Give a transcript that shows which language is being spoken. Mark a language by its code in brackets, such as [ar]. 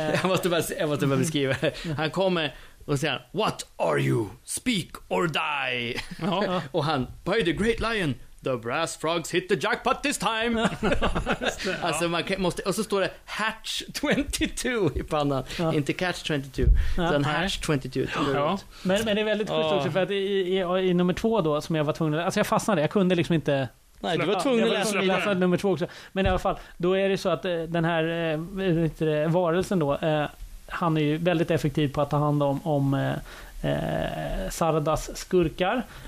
[sv] jag måste bara beskriva. Han kommer och säger, [en] "What are you? Speak or die." [sv] Och han, [en] "By the great lion, the brass frogs hit the jackpot this time." [sv] Alltså man måste, och så står det hatch 22 i pannan, inte catch 22, utan hatch 22. Men det är väldigt sjukt också, för att i nummer två då, som jag var tvungen, alltså jag fastnade, jag kunde liksom inte. Nej, du var tvungen att läsa nummer två också. Men i alla fall, då är det så att den här varelsen då, han är ju väldigt effektiv på att ta hand om Sardas skurkar.